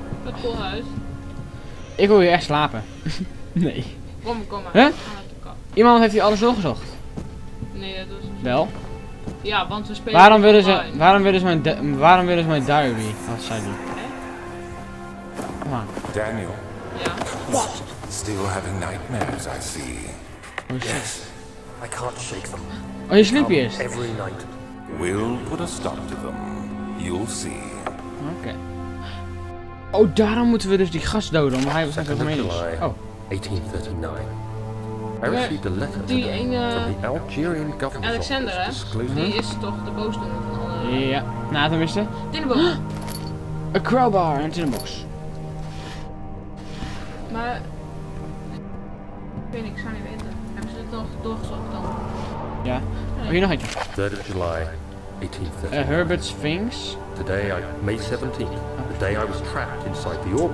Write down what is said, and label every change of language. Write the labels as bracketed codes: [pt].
[nl] Het koelhuis. Ik wil hier echt slapen. Nee. Kom maar. Huh? Iemand heeft hier alles doorgezocht? Nee, dat was een... Wel? Ja, want we spelen. Waarom willen ze? Online. Waarom willen ze mijn diary? Wat zei die? Kom maar. Daniel. Ja. [en] What? Still having nightmares, I see. Yes. I can't shake them. [nl] Oh, je sleepy is. [en] Every night. We'll put a stop to them. You'll see. [nl] Oké. Okay. Oh, daarom moeten we dus die gast doden, omdat hij was eigenlijk gemeen. [en] Oh. 1839. I received a letter today from the Algerian government. [nl] Alexander, hè? Disclosure. Die is toch de boosdoener van alle... Ja, na te wisten. Tinnenbox. A crowbar en tinnenbox. Maar... Ik weet niet, ik zou niet weten. Hebben ze het nog doorgezocht dan? Ja. Oh, hier nog [en] een. 3rd of July. 1839. Herbert Sphinx. Today, May 17th, the day I was trapped inside the orb.